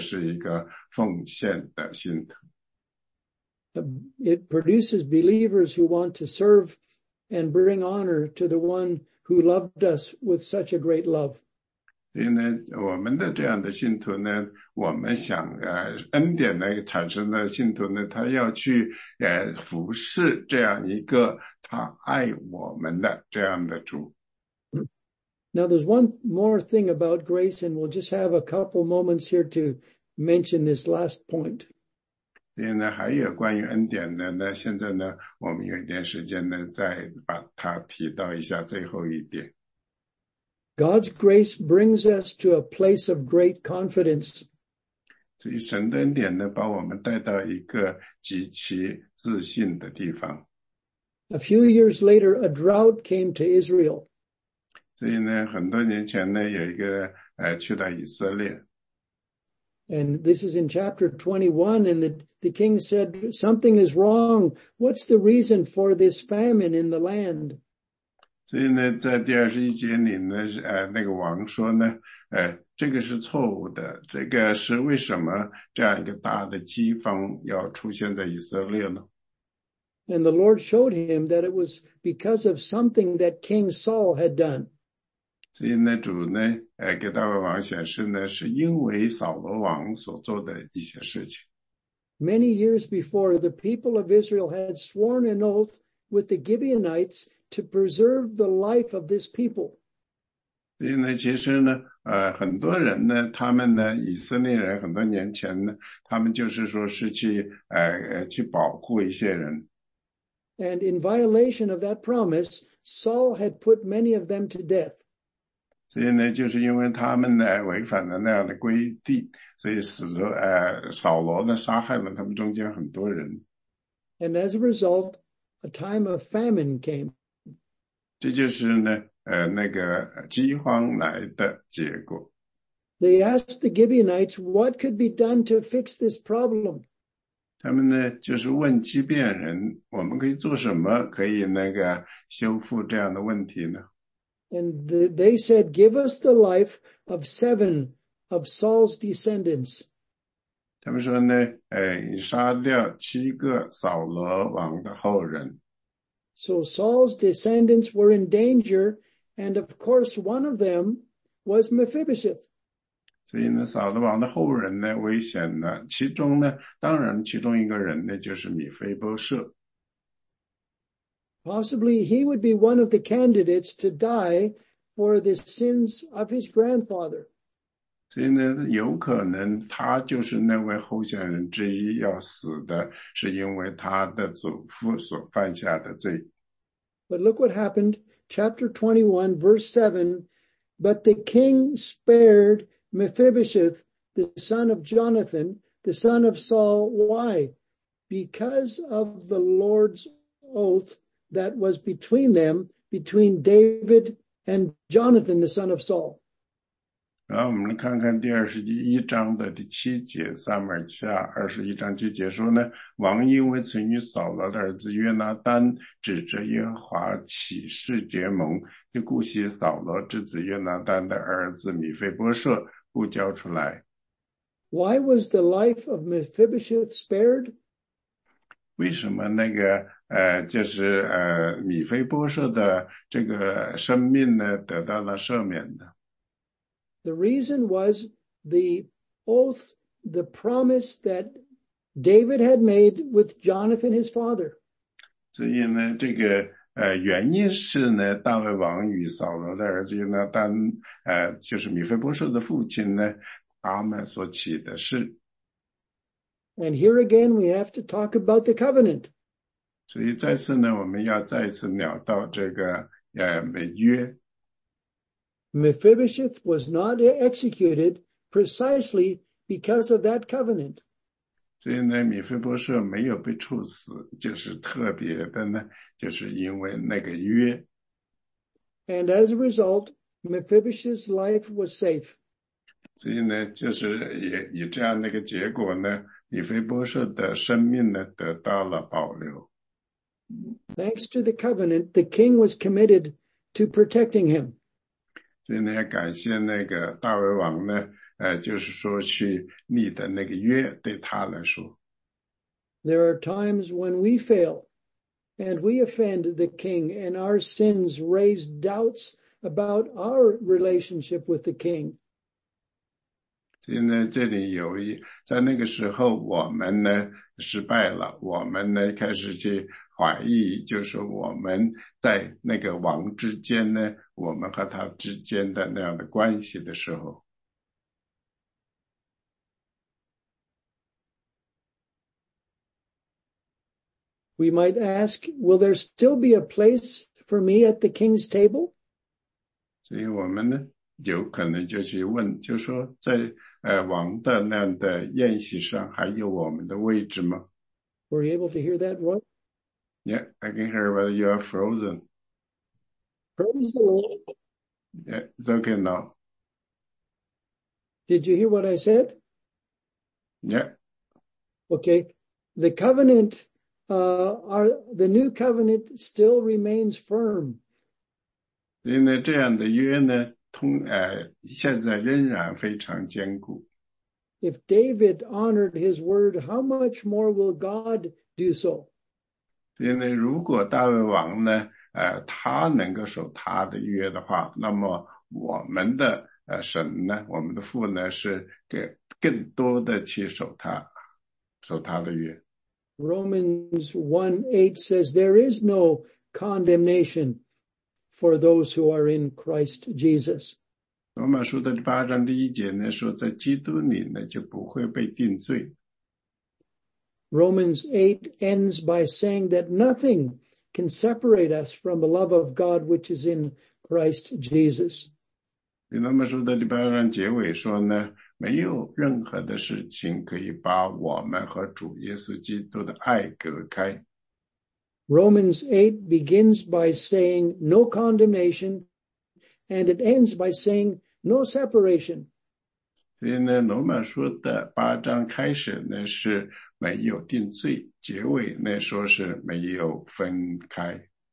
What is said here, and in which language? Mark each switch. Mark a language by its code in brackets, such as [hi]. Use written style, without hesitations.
[zh] 所以这个呢，就是说呢，就是恩典呢，它不是说是产生呢，就是一个小心翼翼的信徒，而是去产生一个伟大的，就是说是一个奉献的信徒。 [en] It produces believers who want to serve and bring honor to the one who loved us with such a great love. [zh] 所以呢，我们的这样的信徒呢，我们想恩典呢产生的信徒呢，他要去服侍这样一个他爱我们的这样的主。 [en] Now there's one more thing about grace, and we'll just have a couple moments here to mention this last point. [zh] 所以呢，还有关于恩典的呢，现在呢，我们有一点时间呢，再把它提到一下最后一点。 [en] God's grace brings us to a place of great confidence. [zh] 这一神的恩典呢，把我们带到一个极其自信的地方。 [en] A few years later, a drought came to Israel. [zh] 所以呢，很多年前呢，有一个去到以色列。 [en] And this is in chapter 21, and the king said, something is wrong. What's the reason for this famine in the land? [zh] 所以呢，在第二十一节里呢，那个王说呢，这个是错误的，这个是为什么这样一个大的饥荒要出现在以色列呢？ [en] And the Lord showed him that it was because of something that King Saul had done. [zh] 所以呢，主呢，给大卫王显示呢，是因为扫罗王所做的一些事情。 [en] Many years before, the people of Israel had sworn an oath with the Gibeonites to preserve the life of this people. [zh] 所以呢，其实呢，很多人呢，他们呢，以色列人很多年前呢，他们就是说是去保护一些人。 [en] And in violation of that promise, Saul had put many of them to death. [zh] 所以呢，就是因为他们呢违反了那样的规定，所以使得扫罗呢杀害了他们中间很多人。 [en] And as a result, a time of famine came. [zh] 这就是呢那个饥荒来的结果。 [en] They asked the Gibeonites what could be done to fix this problem. [zh] 他们呢就是问基遍人，我们可以做什么可以那个修复这样的问题呢？ [en] And they said, give us the life of 7 of Saul's descendants. [zh] 他们说呢，你杀掉七个扫罗王的后人。 [en] So Saul's descendants were in danger, and of course one of them was Mephibosheth. [zh] 所以呢，扫罗王的后人呢，危险了。其中呢，当然其中一个人呢，就是米非波设。 [en] Possibly he would be one of the candidates to die for the sins of his grandfather. [zh] 所以呢，有可能他就是那位候选人之一，要死的是因为他的祖父所犯下的罪。 [en] But look what happened, chapter 21, verse 7, but the king spared Mephibosheth, the son of Jonathan, the son of Saul. Why? Because of the Lord's oath that was between them, between David and Jonathan, the son of Saul. [zh] 然后我们看看第二十一章的第七节，撒母耳记下二十一章七节说呢，王因为曾与扫罗的儿子约拿单指着耶和华起誓结盟，就顾惜扫罗之子约拿单的儿子米非波设，不交出来。 [en] Why was the life of Mephibosheth spared? [zh] 为什么那个就是米非波设的这个生命呢得到了赦免呢？ [en] The reason was the oath, the promise that David had made with Jonathan his father. [zh] 所以呢，这个原因是呢，大卫王与扫罗的儿子呢，当就是米非波设的父亲呢，他们所起的誓。 [en] And here again, we have to talk about the covenant. [zh] 所以再次呢，我们要再次聊到这个美约。 [en] Mephibosheth was not executed precisely because of that covenant. [zh] 所以呢，米非波设没有被处死，就是特别的呢，就是因为那个约。 [en] And as a result, Mephibosheth's life was safe. [zh] 所以呢，就是以这样的一个结果呢，米非波设的生命呢得到了保留。 [en] Thanks to the covenant, the king was committed to protecting him. [zh] 所以呢，感谢那个大卫王呢，就是说去立的那个约对他来说。 [en] There are times when we fail and we offend the king and our sins raise doubts about our relationship with the king. [zh] 所以呢，这里有一，在那个时候我们呢失败了，我们呢开始去怀疑，就是我们在那个王之间呢，我们和他之间的那样的关系的时候。 [en] We might ask, will there still be a place for me at the king's table? [zh] 所以我们呢，有可能就去问，就说在王的那样的宴席上还有我们的位置吗？ [en] Were you able to hear that, Roy? Yeah, I can hear whether you are frozen. Frozen? Yeah, it's okay now. Did you hear what I said? Yeah. Okay. The covenant, the new covenant still remains firm. [zh] 因为这样的约呢，现在仍然非常坚固。 [en] If David honored his word, how much more will God do so? [zh] 因为如果大卫王呢，他能够守他的约的话，那么我们的神呢，我们的父呢，是更多的去守他的约。 [en] Romans 1:8 says there is no condemnation for those who are in Christ Jesus. [zh] 罗马书的第八章第一节呢，说在基督里呢就不会被定罪。 [en] Romans 8 ends by saying that nothing can separate us from the love of God which is in Christ Jesus. [zh] 罗马书的第八章结尾说呢，没有任何的事情可以把我们和主耶稣基督的爱隔开。 [en] Romans 8 begins by saying no condemnation, and it ends by saying no separation. [zh] 所以呢，罗马书的八章开始呢是没有定罪，结尾呢说是没有分开。